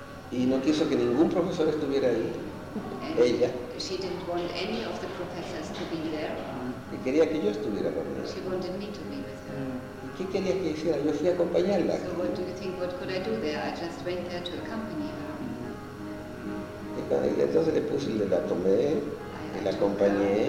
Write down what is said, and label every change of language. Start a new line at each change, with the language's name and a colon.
Spanish: Y no quiso que ningún profesor estuviera ahí.
English: And
Spanish: ella.
English: She didn't want any of the professors to be there.
Spanish: Y quería que yo estuviera con ella.
English: She wanted me to be with her.
Spanish: ¿Qué quería que hiciera? Yo fui a acompañarla.
English: So what do you think, what could I do there? I just went there to accompany her.
Spanish: Y entonces le puse, le la tomé, y la acompañé.